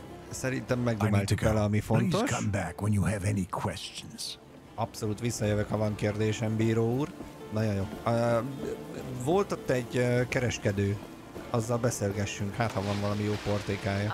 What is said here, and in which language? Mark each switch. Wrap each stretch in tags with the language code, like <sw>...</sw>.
<hu>Szerintem megdumáltuk el, ami fontos.</hu> <en>Please come back when you have any questions.</en> <hu>Abszolút visszajövök, ha van kérdésem, bíró úr. Nagyon jó. Volt ott egy kereskedő. Azzal beszélgessünk, hát ha van valami jó portékája.</hu>